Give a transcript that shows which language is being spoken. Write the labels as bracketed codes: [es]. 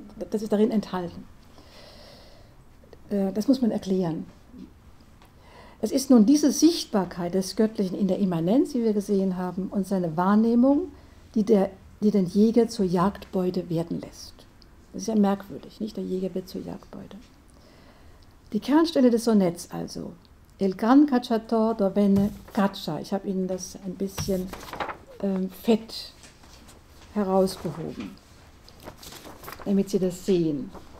[de] Das ist darin enthalten. Das muss man erklären. Es ist nun diese Sichtbarkeit des Göttlichen in der Immanenz, wie wir gesehen haben, und seine Wahrnehmung, die den Jäger zur Jagdbeute werden lässt. Das ist ja merkwürdig, nicht? Der Jäger wird zur Jagdbeute. Die Kernstelle des Sonetts also. [it] El gran cacciator dovene caccia. [de] Ich habe Ihnen das ein bisschen fett herausgehoben, damit Sie das sehen.